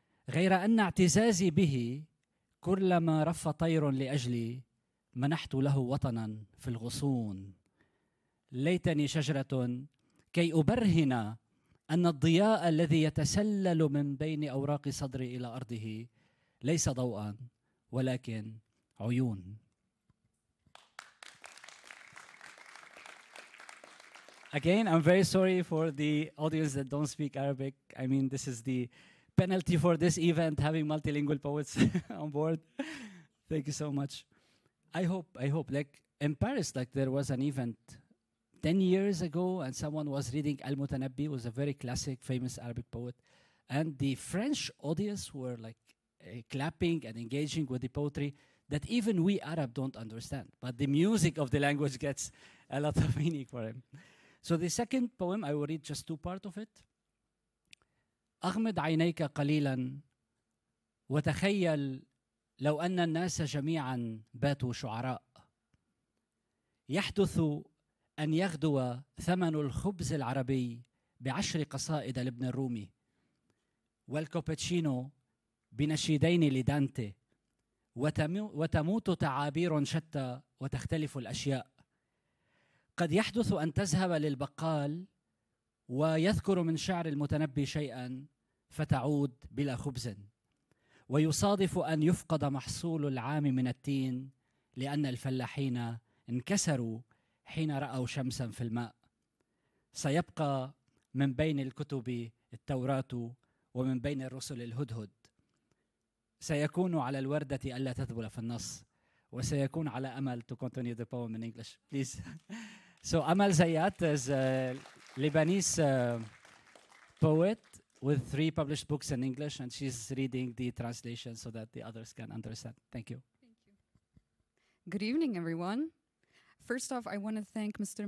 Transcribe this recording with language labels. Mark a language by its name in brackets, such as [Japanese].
[Arabic] غير أن اعتزازي به كلما رف طير لأجلي منحت له وطنا في الغصون ليتني شجرة كي أبرهن أن الضياء الذي يتسلل من بين أوراق صدري إلى أرضه ليس ضوءا ولكن عيون. [English] Again, I'm very sorry for the audience that don't speak Arabic. I mean, this is the penalty for this event, having multilingual poets on board. Thank you so much. I hope, like in Paris, like there was an event 10 years ago and someone was reading Al-Mutanabbi, was a very classic, famous Arabic poet. And the French audience were like clapping and engaging with the poetry that even we Arab don't understand, but the music of the language gets a lot of meaning for him. So the second poem, I will read just two parts of it. [Arabic] أغمض عينيك قليلا وتخيل لو أن الناس جميعا باتوا شعراء يحدث أن يغدو ثمن الخبز العربي بعشر قصائد لابن الرومي والكوبتشينو بنشيدين لدانتي وتموت تعابير شتى وتختلف الأشياء قد يحدث أن تذهب للبقال ويذكر من شعر المتنبي شيئا فتعود بلا خبز ويصادف أن يفقد محصول العام من التين لأن الفلاحين انكسروا حين رأوا شمسا في الماء سيبقى من بين الكتب التوراة ومن بين الرسل الهدهد سيكون على الوردة ألا تذبل في النص وسيكون على أمل [English] to continue the poem in English, please. So Amal Zayat is a Lebanese poet with three published books in English, and she's reading the translation so that the others can understand. Thank you. Thank you. Good evening, everyone. First off, I want to thank Mr.